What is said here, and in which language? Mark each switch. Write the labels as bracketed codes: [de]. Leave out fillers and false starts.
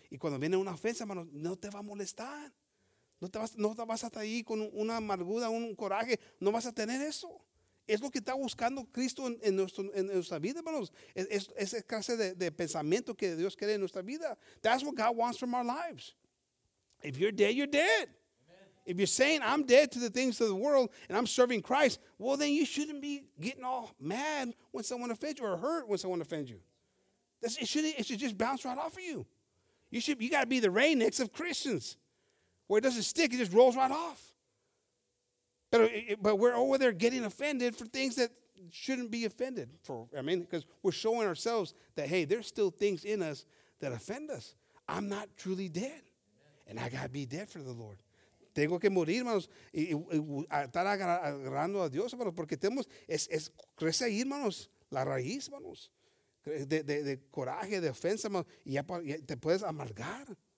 [es] Y cuando viene una ofensa, hermano, no te va a molestar. No te vas hasta ahí con una amargura, un coraje. No vas a tener eso. Es lo que está buscando Cristo en nuestra vida, hermanos. Es esa clase de pensamiento que Dios quiere en nuestra vida. [en] That's what God wants from our lives. If you're dead, you're dead. Amen. If you're saying, I'm dead to the things of the world and I'm serving Christ, well, then you shouldn't be getting all mad when someone offends you or hurt when someone offends you. It should just bounce right off of you. You got to be the Rain-X of Christians, where it doesn't stick, it just rolls right off. But we're over there getting offended for things that shouldn't be offended for. I mean, because we're showing ourselves that, hey, there's still things in us that offend us. I'm not truly dead. And I got to be dead for the Lord. [es] Tengo que morir, hermanos, y estar agarrando a Dios, hermanos, porque tenemos, es crece ahí, hermanos, la raíz, hermanos, de coraje, de ofensa, hermanos, y ya te puedes amargar.